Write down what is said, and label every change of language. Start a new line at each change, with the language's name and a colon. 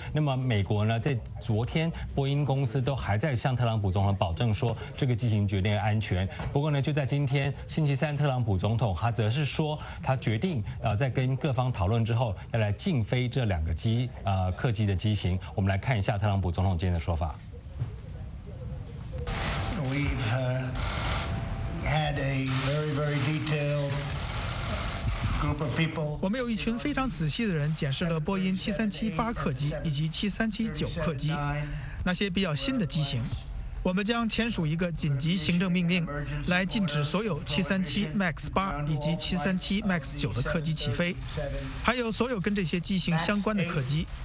Chinese: 那么美国呢，在昨天波音公司都还在向特朗普总统保证说这个机型绝对安全，不过呢就在今天星期三，特朗普总统他则是说，他决定在跟各方讨论之后，要来禁飞这两个客机的机型。我们来看一下特朗普总统今天的说法。
English: We've had a very very detailed group of people.
Chinese: 我们有一群非常仔细的人检视了波音737-8客机以及737-9客机，那些比较新的机型。我们将签署一个紧急行政命令，来禁止所有737 MAX 8以及737 MAX 9的客机起飞，还有所有跟这些机型相关的客机。